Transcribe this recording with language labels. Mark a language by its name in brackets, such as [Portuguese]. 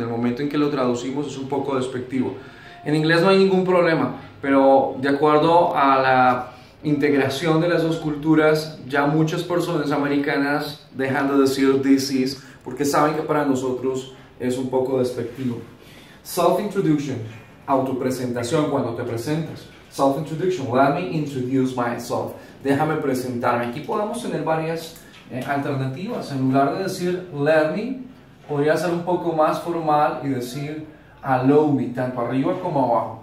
[Spanish] En el momento en que lo traducimos es un poco despectivo. En inglés no hay ningún problema, pero de acuerdo a la integración de las dos culturas, ya muchas personas americanas dejan de decir [English] this is, [Spanish] porque saben que para nosotros es un poco despectivo. [English] Self-introduction, [Spanish] autopresentación, cuando te presentas. [English] Self-introduction, let me introduce myself. [Spanish] Déjame presentarme. Aquí podemos tener varias alternativas. En lugar de decir [English] let me, [Spanish] podría ser un poco más formal y decir [English] allow me, [Spanish] tanto arriba como abajo.